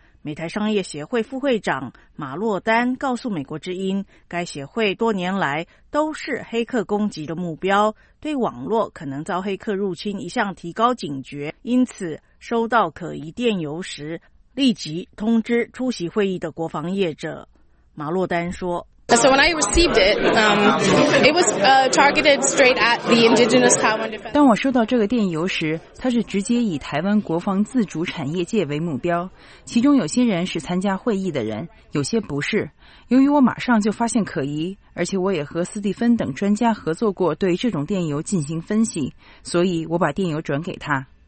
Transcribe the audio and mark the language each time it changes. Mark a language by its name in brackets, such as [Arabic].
[Chinese] 美台商业协会副会长马洛丹告诉美国之音，该协会多年来都是黑客攻击的目标，对网络可能遭黑客入侵一向提高警觉，因此收到可疑电邮时立即通知出席会议的国防业者。马洛丹说， [English] So when I received it, it was targeted straight at the indigenous Taiwan defense. [Chinese] 当我收到这个电邮时，它是直接以台湾国防自主产业界为目标，其中有些人是参加会议的人，有些不是。由于我马上就发现可疑，而且我也和斯蒂芬等专家合作过对这种电邮进行分析，所以我把电邮转给他。